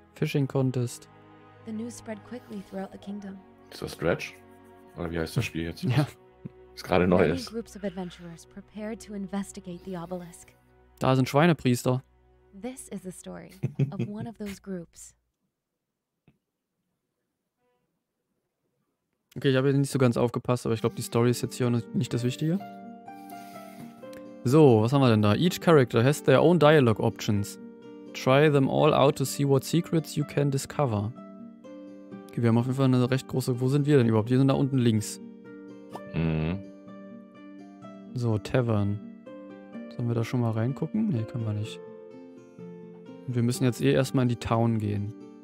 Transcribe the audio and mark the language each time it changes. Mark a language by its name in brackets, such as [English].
[English] Fishing contest. The news spread quickly throughout the kingdom. [German] Ist das Dredge? Oder wie heißt das Spiel jetzt? Ja. Ist gerade neu. [English] Many groups of adventurers prepared to investigate the obelisk. [German] Da sind Schweinepriester. [English] This is the story of one of those groups. [German] Okay, ich habe jetzt nicht so ganz aufgepasst, aber ich glaube, die Story ist jetzt hier nicht das Wichtige. So, was haben wir denn da? [English] Each character has their own dialogue options. Try them all out to see what secrets you can discover. [German] Okay, wir haben auf jeden Fall eine recht große... Wo sind wir denn überhaupt? Wir sind da unten links. Mhm. So, Tavern. Sollen wir da schon mal reingucken? Nee, können wir nicht. Und wir müssen jetzt eh erstmal in die Town gehen.